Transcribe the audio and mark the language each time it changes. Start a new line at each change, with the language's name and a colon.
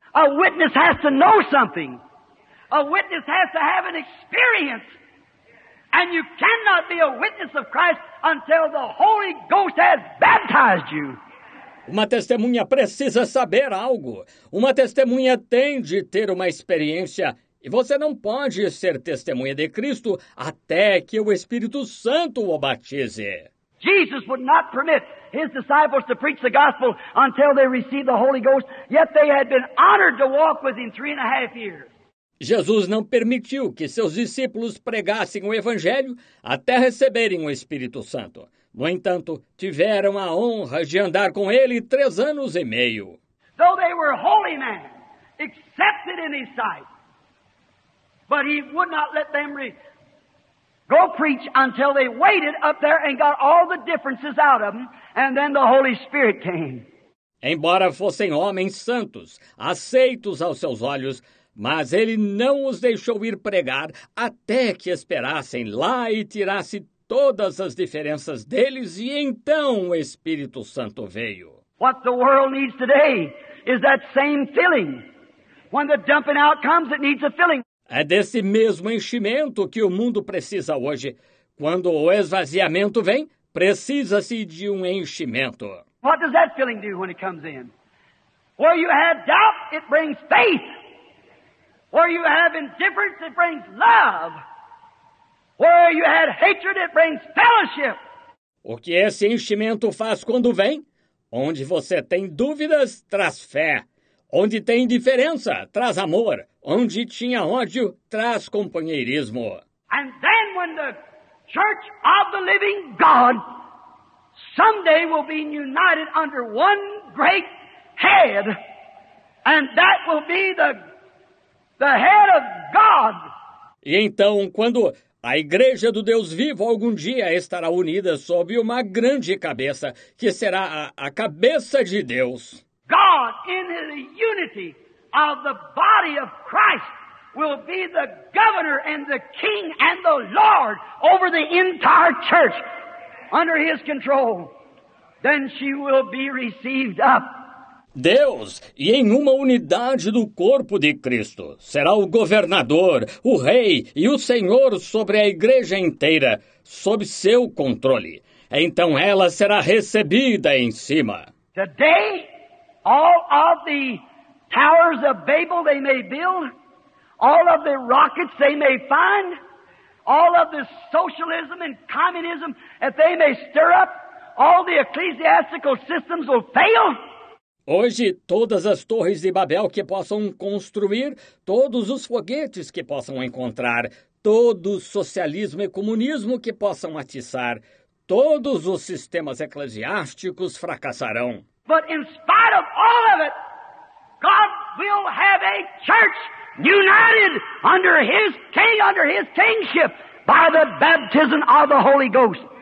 English: A witness has to know something. A witness has to have an experience. And you cannot be a witness of Christ until the Holy Ghost has baptized you.
Portuguese: Uma testemunha precisa saber algo. Uma testemunha tem de ter uma experiência. E você não pode ser testemunha de Cristo até que o Espírito Santo o batize.
English: Jesus would not permit his disciples to preach the gospel until they received the Holy Ghost, yet they had been honored to walk with him 3.5 years.
Portuguese: Jesus não permitiu que seus discípulos pregassem o Evangelho até receberem o Espírito Santo. No entanto, tiveram a honra de andar com ele 3 anos e meio.
English: Though they were holy men, accepted in his sight, but he would not let them go preach until they waited up there and got all the differences out of them, and then the Holy Spirit came.
Portuguese: Embora fossem homens santos, aceitos aos seus olhos, mas ele não os deixou ir pregar até que esperassem lá e tirasse todas as diferenças deles e então o Espírito Santo veio.
English: What the world needs today is that same filling. When the dumping out comes, it needs a filling.
Portuguese: É desse mesmo enchimento que o mundo precisa hoje. Quando o esvaziamento vem, precisa-se de um enchimento.
English: What does that filling do when it comes in? Where you have doubt, it brings faith. Where you have indifference, it brings love. Where you had hatred, it brings fellowship.
Portuguese: O que esse enchimento faz quando vem? Onde você tem dúvidas, traz fé. Onde tem indiferença, traz amor. Onde tinha ódio, traz companheirismo.
English: And then when the church of the living God someday will be united under one great head, and that will be the head of God.
Portuguese: E então, quando a igreja do Deus vivo algum dia estará unida sob uma grande cabeça, que será a cabeça de Deus.
English: God in the unity of the body of Christ will be the governor and the king and the Lord over the entire church under his control. Then she will be received up.
Portuguese: Deus, e em uma unidade do corpo de Cristo, será o governador, o rei e o senhor sobre a igreja inteira, sob seu controle. Então ela será recebida em cima.
English: Today, all of the towers of Babel they may build, all of the rockets they may find, all of the socialism and communism that they may stir up, all the ecclesiastical systems will fail.
Portuguese: Hoje, todas as torres de Babel que possam construir, todos os foguetes que possam encontrar, todo o socialismo e comunismo que possam atiçar, todos os sistemas eclesiásticos fracassarão.
English: But in spite of all of it, God will have a church united under his king, under his kingship, by the baptism of the Holy Ghost.